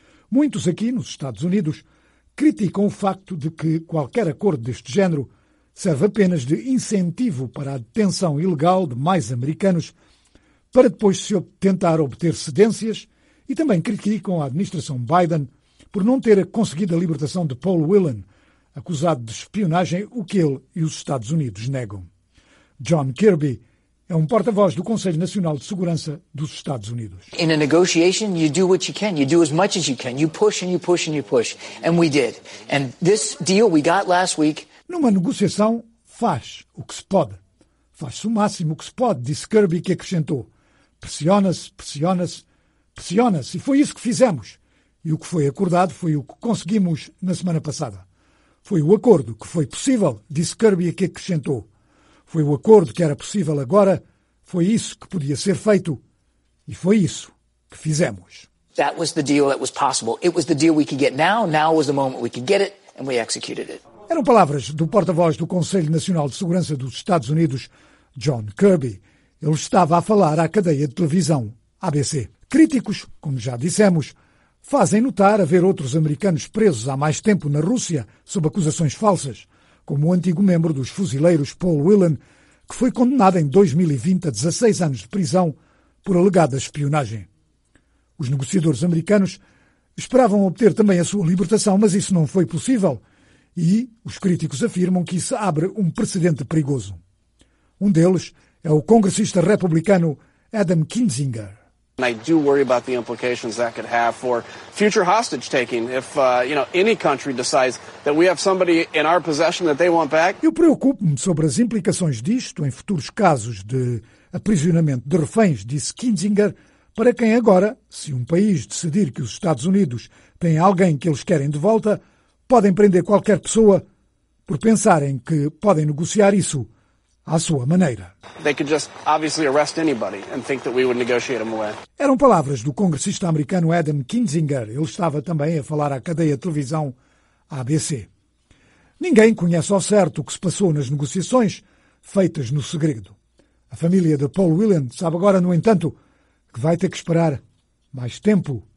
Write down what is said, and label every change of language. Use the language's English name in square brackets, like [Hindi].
[Portuguese] Muitos aqui nos Estados Unidos criticam o facto de que qualquer acordo deste género serve apenas de incentivo para a detenção ilegal de mais americanos para depois se tentar obter cedências, e também criticam a administração Biden por não ter conseguido a libertação de Paul Whelan, acusado de espionagem, o que ele e os Estados Unidos negam. John Kirby é um porta-voz do Conselho Nacional de Segurança dos Estados Unidos. [English] In a negotiation, you do what you can, you do as much as you can, you push and you push and you push, and we did. And this deal we got last week. [Portuguese] Numa negociação, faz o que se pode, faz o máximo que se pode, disse Kirby, que acrescentou: pressiona-se, pressiona-se, pressiona-se, e foi isso que fizemos. E o que foi acordado foi o que conseguimos na semana passada. Foi o acordo que foi possível, disse Kirby, que acrescentou. Foi o acordo que era possível agora, foi isso que podia ser feito e foi isso que fizemos. [English] That was the deal that was possible. It was the deal we could get now. Now was the moment we could get it and we executed it. [Portuguese] Eram palavras do porta-voz do Conselho Nacional de Segurança dos Estados Unidos, John Kirby. Ele estava a falar à cadeia de televisão ABC. Críticos, como já dissemos, fazem notar haver outros americanos presos há mais tempo na Rússia sob acusações falsas, como o antigo membro dos fuzileiros Paul Whelan, que foi condenado em 2020 a 16 anos de prisão por alegada espionagem. Os negociadores americanos esperavam obter também a sua libertação, mas isso não foi possível, e os críticos afirmam que isso abre um precedente perigoso. Um deles é o congressista republicano Adam Kinzinger. [English] I do worry about the implications that could have for future hostage taking if, you know, any country decides that we have somebody in our possession that they want back. [Portuguese] Eu preocupo-me sobre as implicações disto em futuros casos de aprisionamento de reféns, disse Kinzinger, para quem agora, se um país decidir que os Estados Unidos têm alguém que eles querem de volta, podem prender qualquer pessoa por pensarem que podem negociar isso à sua maneira. [English] They could just obviously arrest anybody and think that we would negotiate them away. [Portuguese] Eram palavras do congressista americano Adam Kinzinger. Ele estava também a falar à cadeia de televisão ABC. Ninguém conhece ao certo o que se passou nas negociações feitas no segredo. A família de Paul Whelan sabe agora, no entanto, que vai ter que esperar mais tempo